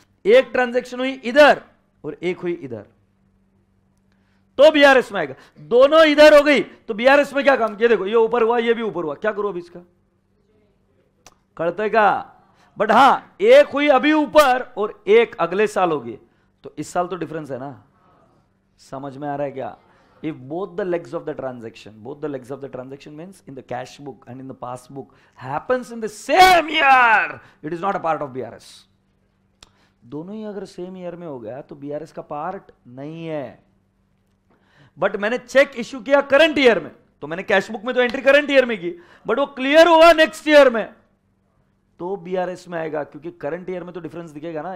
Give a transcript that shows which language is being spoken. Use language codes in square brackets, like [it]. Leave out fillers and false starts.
[hi] एक ट्रांजेक्शन हुई इधर और एक हुई इधर तो BRS में आएगा। दोनों इधर हो गई तो BRS में क्या काम किया? देखो ये ऊपर हुआ, ये भी ऊपर हुआ, क्या करो अभी इसका? करते का। बट हां, एक हुई अभी ऊपर और एक अगले साल होगी, तो इस साल तो डिफरेंस है ना। समझ में आ रहा है क्या? [en] If both the legs of the transaction, both the legs of the transaction means in the cash book and in the pass book happens in the same year, it is not a part of BRS. [hi] दोनों ही अगर same year में हो गया तो BRS का part नहीं है। But मैंने चेक इश्यू किया करंट ईयर में, तो मैंने कैश बुक में तो एंट्री करंट ईयर में की, बट वो क्लियर हुआ नेक्स्ट ईयर में तो BRS में आएगा, क्योंकि करंट ईयर में तो डिफरेंस दिखेगा ना।